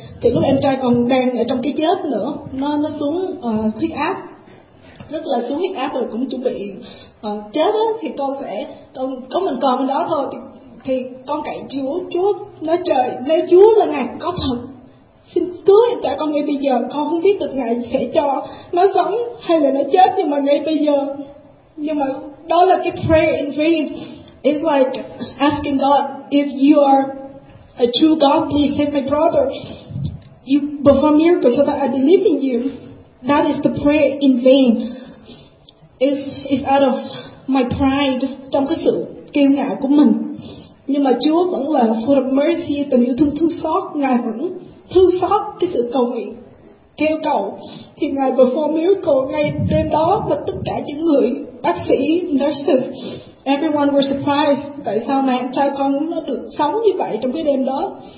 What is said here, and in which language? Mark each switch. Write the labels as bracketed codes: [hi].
[vi] Thì lúc em trai còn đang ở trong cái chết nữa, nó xuống huyết áp, rất là xuống huyết áp rồi cũng chuẩn bị chết á, thì con có mình con đó thôi. Thì con cậy Chúa nói, trời, nếu Chúa là Ngài có thật, xin cứu em trai con ngay bây giờ, con không biết được Ngài sẽ cho nó sống hay là nó chết, nhưng mà ngay bây giờ. Nhưng mà đó là cái [en] prayer in vain. It's like asking God, if you are a true God, please save my brother. You perform miracles so that I believe in you. That is the prayer in vain. It's out of my pride, [vi] trong cái sự kiêu ngạo của mình. Nhưng mà Chúa vẫn là [en] full of mercy, [vi] tình yêu thương thương xót. Ngài vẫn thương xót cái sự cầu nguyện, kêu cầu. Thì Ngài [en] perform miracle [vi] ngay đêm đó, và tất cả những người, bác sĩ, nurses, [en] everyone were surprised, [vi] tại sao mà em trai con nó được sống như vậy trong cái đêm đó.